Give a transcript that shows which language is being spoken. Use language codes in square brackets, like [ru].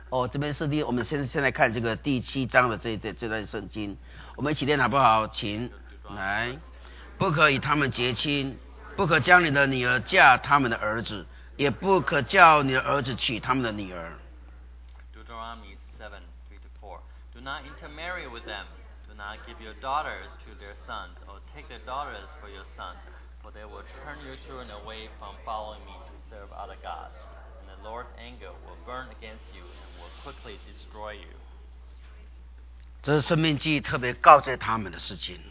[zh] 这边是我们现在看这个第七章的这段圣经，我们一起念好不好？请来，不可与他们结亲，不可将你的女儿嫁他们的儿子，也不可叫你的儿子娶他们的女儿。 [en] Deuteronomy 7:3-4. Do not intermarry with them. Not give your daughters to their sons, or take their daughters for your sons, for they will turn your children away from following me to serve other gods, and the Lord's anger will burn against you and will quickly destroy you. [zh] 这是生命记特别告诫他们的事情。